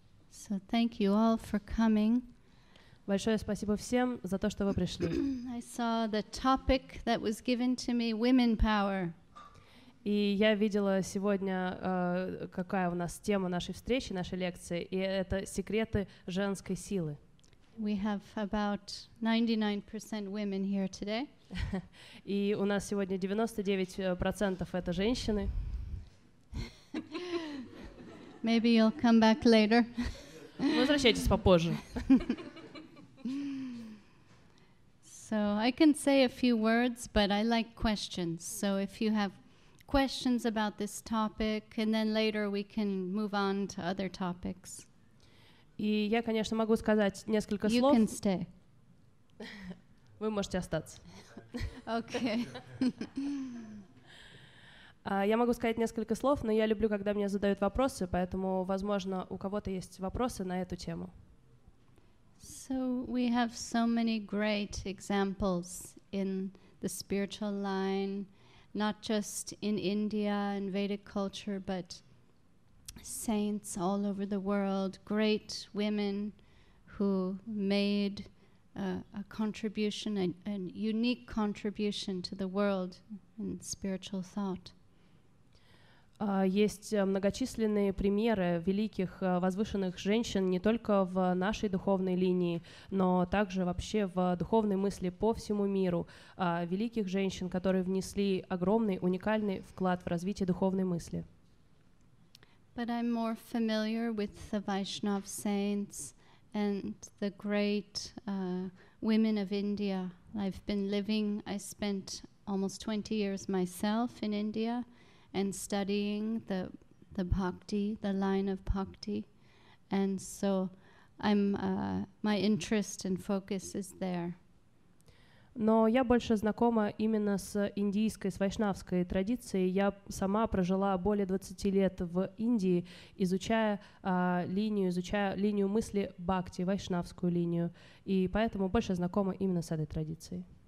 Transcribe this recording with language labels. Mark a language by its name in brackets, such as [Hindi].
[English] So thank you all for coming. [Russian] Большое спасибо всем за то, что вы пришли. [English] I saw the topic that was given to me, women power. [Russian] И я видела сегодня, какая у нас тема нашей встречи, нашей лекции, и это секреты женской силы. [English] We have about 99% women here today. [Russian] И у нас сегодня 99% это женщины. [English] Maybe you'll come back later. [Russian] Возвращайтесь попозже. [English] So I can say a few words, but I like questions. So if you have questions about this topic, and then later we can move on to other topics. [Russian] И я, конечно, могу сказать несколько you слов. [English] You can stay. [Russian] Вы можете остаться. [English] Okay. [Russian] Я могу сказать несколько слов, но я люблю, когда мне задают вопросы, поэтому, возможно, у кого-то есть вопросы на эту тему. [English] So we have so many great examples in the spiritual line, not just in India and Vedic culture, but saints all over the world, great women who made a contribution, a unique contribution to the world in spiritual thought. [Russian] Есть многочисленные примеры великих возвышенных женщин не только в нашей духовной линии, но также вообще в духовной мысли по всему миру, великих женщин, которые внесли огромный, уникальный вклад в развитие духовной мысли. [English] But I'm more familiar with the Vaishnav saints and the great women of India. I've been living, I spent almost 20 years myself in India and studying the bhakti, the line of bhakti. And so I'm my interest and focus is there. [Russian] Но я больше знакома именно с индийской, с вайшнавской традицией. Я сама прожила более 20 лет в Индии, изучая линию мысли бхакти, вайшнавскую линию. И поэтому больше знакома именно с этой традицией.